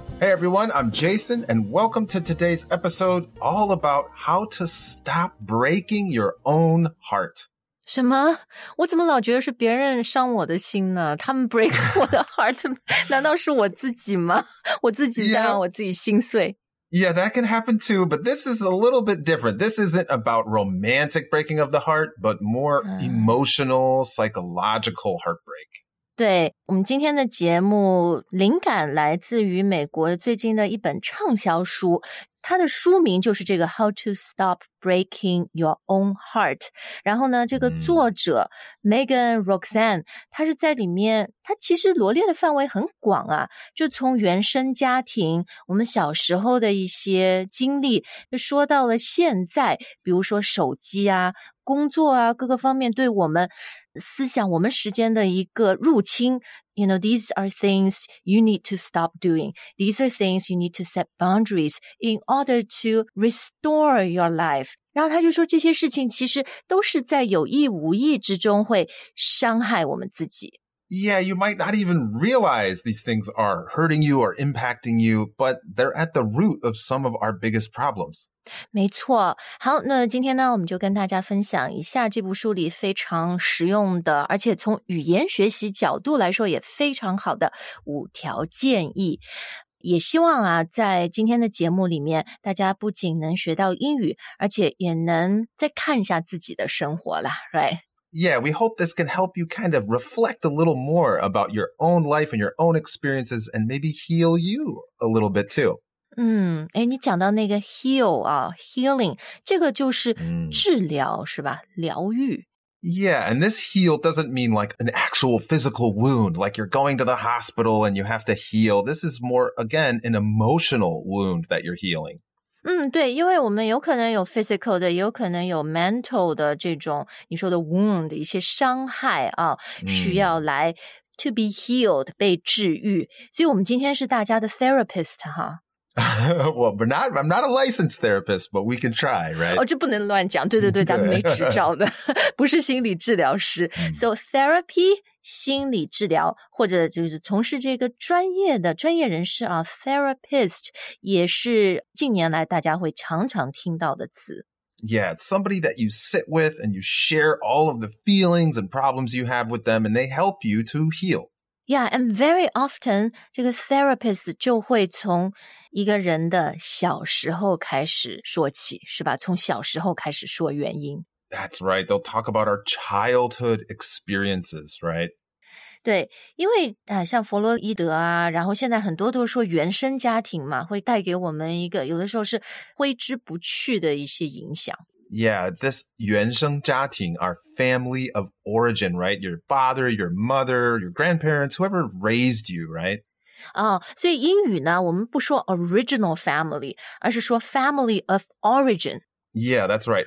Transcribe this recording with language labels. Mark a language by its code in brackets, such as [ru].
[en] Hey everyone, I'm Jason, and welcome to today's episode all about how to stop breaking your own heart. [zh] 什么？我怎么老觉得是别人伤我的心呢？他们 break 我的 heart， 难道是我自己吗？我自己在让我自己心碎。 [en] Yeah, that can happen too, but this is a little bit different. This isn't about romantic breaking of the heart, but more emotional, psychological heartbreak. [zh] 对，我们今天的节目灵感来自于美国最近的一本畅销书，它的书名就是这个 How to Stop Breaking Your Own Heart。然后呢，这个作者 Megan Roxanne， 她是在里面，她其实罗列的范围很广啊，就从原生家庭，我们小时候的一些经历，就说到了现在，比如说手机啊，工作啊，各个方面对我们思想，我们时间的一个入侵。 [en] You know, these are things you need to stop doing. These are things you need to set boundaries in order to restore your life. [zh] 然后他就说这些事情其实都是在有意无意之中会伤害我们自己。 [en] Yeah, you might not even realize these things are hurting you or impacting you, but they're at the root of some of our biggest problems. [zh] 没错。好，那今天呢，我们就跟大家分享一下这部书里非常实用的，而且从语言学习角度来说也非常好的五条建议。也希望啊，在今天的节目里面，大家不仅能学到英语，而且也能再看一下自己的生活啦， right? [en] Yeah, we hope this can help you kind of reflect a little more about your own life and your own experiences and maybe heal you a little bit too. [zh] 哎，你讲到那个 heal 啊 ,healing, 这个就是治疗是吧，疗愈。 [en] Yeah, and this heal doesn't mean like an actual physical wound, like you're going to the hospital and you have to heal. This is more, again, an emotional wound that you're healing. [zh] 对，因为我们有可能有 physical 的，有可能有 mental 的这种你说的 wound, 一些伤害啊，需要来 [en] to be healed, [zh] 被治愈。所以我们今天是大家的 therapist, 哈。 [en] Well, we're not, I'm not a licensed therapist, but we can try, right? [zh] 哦，这不能乱讲，对对对，咱们没执照的，不是心理治疗师。 So therapy, 心理治疗，或者就是从事这个专业的专业人士啊 ,therapist, 也是近年来大家会常常听到的词。 [en] Yeah, it's somebody that you sit with and you share all of the feelings and problems you have with them, and they help you to heal. Yeah, and very often, [zh] 这个 therapist 就会从一个人的小时候开始说起，是吧？从小时候开始说原因。 [en] That's right. They'll talk about our childhood experiences, right? [zh] 对，因为像弗洛伊德啊，然后现在很多都说原生家庭嘛，会带给我们一个有的时候是挥之不去的一些影响。 [en] Yeah, this 原生家庭, our family of origin, right? Your father, your mother, your grandparents, whoever raised you, right? [zh] 所以英语呢，我们不说 [en] original family, [zh] 而是说 [en] family of origin. Yeah, that's right.